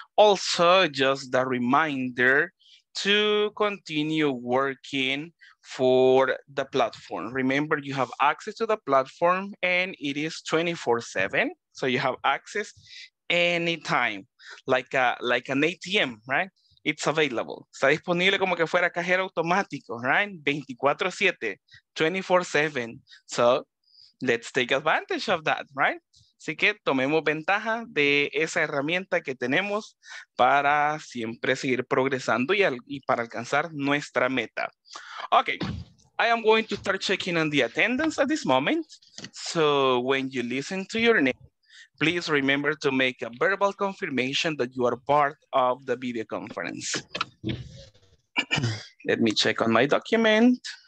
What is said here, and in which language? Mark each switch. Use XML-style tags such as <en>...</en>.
<en>Also, just a reminder to continue working for the platform. Remember, you have access to the platform and it is 24/7. So you have access anytime, like an ATM, right? It's available.</en> <es>Está disponible como que fuera cajero automático, right? 24/7, 24/7.</es> <en>So let's take advantage of that, right?</en> <es>Así que tomemos ventaja de esa herramienta que tenemos para siempre seguir progresando y para alcanzar nuestra meta.</es> <en>Okay. I am going to start checking on the attendance at this moment. So when you listen to your name, please remember to make a verbal confirmation that you are part of the video conference. Let me check on my document.</en>